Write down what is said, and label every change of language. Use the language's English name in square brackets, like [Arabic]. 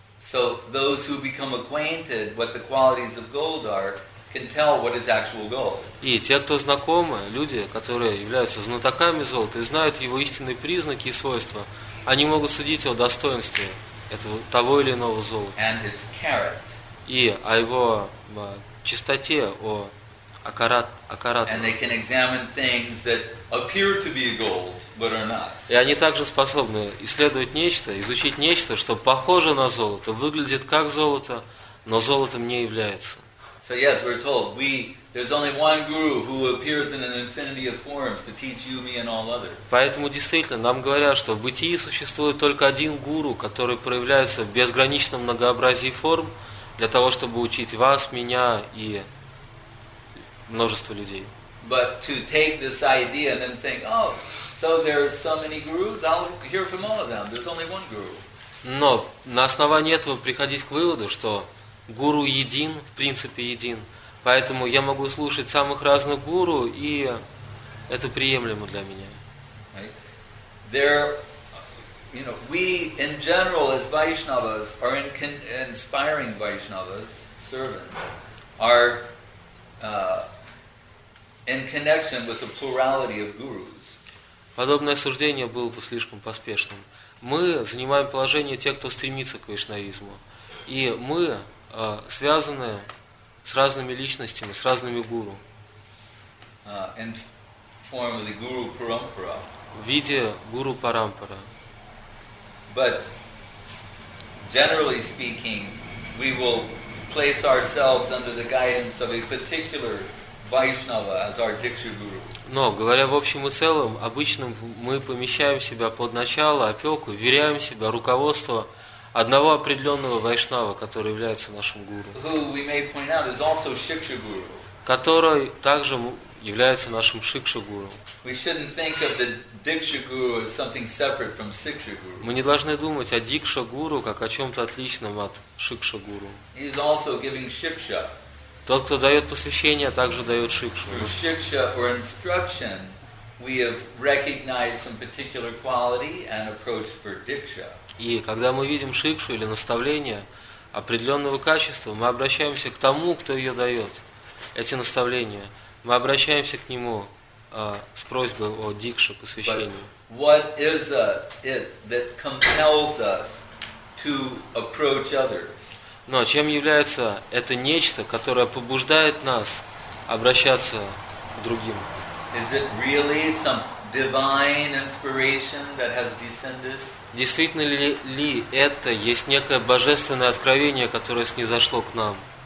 [English] So those who become acquainted with the qualities of gold are can tell what is actual gold. [Russian] И те, кто знакомы, люди, которые являются знатоками золота и знают его истинные признаки и свойства, они могут судить о достоинстве этого того или иного золота. [English] And its carat. [Russian] И о его чистоте, о Акарат. [English] And they can examine things that appear to be gold, but are not. [Russian] И они также способны исследовать нечто, изучить нечто, что похоже на золото, выглядит как золото, но золотом не является. [English] So yes, we're told there's only one guru who appears in an infinity of forms to teach you, me, and all others. [Russian] Поэтому действительно нам говорят, что в бытии существует только один гуру, который проявляется в безграничном многообразии форм для того, чтобы учить вас, меня и множество людей. [English] But to take this idea and then think, oh, so there are so many gurus, I'll hear from all of them. There's only one guru. [Russian] Но на основании этого приходить к выводу, что гуру един, в принципе един, поэтому я могу слушать самых разных гуру, и это приемлемо для меня. [English] Right? There, you know, we in general as Vaishnavas are inspiring Vaishnavas servants are in connection with the plurality of gurus. [Russian] Подобное суждение было бы слишком поспешным. Мы занимаем положение тех, кто стремится к вайшнавизму, и мы связаны с разными личностями, с разными гуру. [English] In form of the guru parampara. [Russian] В виде гуру парампара. [English] But generally speaking, we will place ourselves under the guidance of a particular Vaishnava as our Diksha Guru. [Russian] Но, говоря в общем и целом, обычно мы помещаем себя под начало, опеку, вверяем себя, руководство одного определенного вайшнава, который является нашим гуру. [English] Who we may point out is also Shiksha Guru. [Russian] Который также является нашим Шикша Гуру. [English] We shouldn't think of the Diksha Guru as something separate from Shiksha Guru. [Russian] Мы не должны думать о Дикша Гуру как о чем-то отличном от Шикша Гуру. [English] He is also giving Shiksha. [Russian] Тот, кто дает посвящение, также дает Шикшу. [English] Through Shiksha or instruction, we have recognized some particular quality and approach for Diksha. [Russian] И когда мы видим шикшу или наставление определенного качества, мы обращаемся к тому, кто ее дает, эти наставления. Мы обращаемся к нему с просьбой о дикше, посвящении. [English] What is it that compels us to approach others? [Russian] Но чем является это нечто, которое побуждает нас обращаться к другим? [English] Is it really some divine inspiration that has descended? [Russian] Действительно ли это есть некое божественное откровение, которое снизошло к нам?